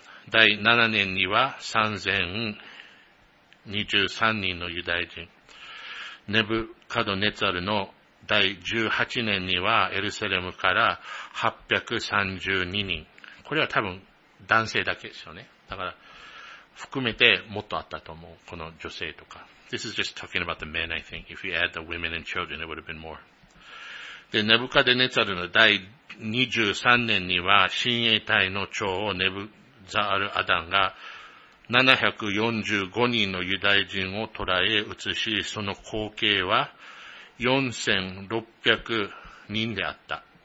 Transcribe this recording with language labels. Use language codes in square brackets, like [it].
[ja] 第7年には3023人のユダヤ人。ネブカドネツァルの第18年にはエルサレムから832人。これは多分男性だけですよね。だから含めてもっとあったと思う。この女性とか。 [en] This is just talking about the men, I think. If you add the women and children, it would have been more. [ja] で、ネブカデネツァルの第23年には、親衛隊の長をネブザアルアダンが745人のユダヤ人を捕らえ移し、その後継は4600人であった。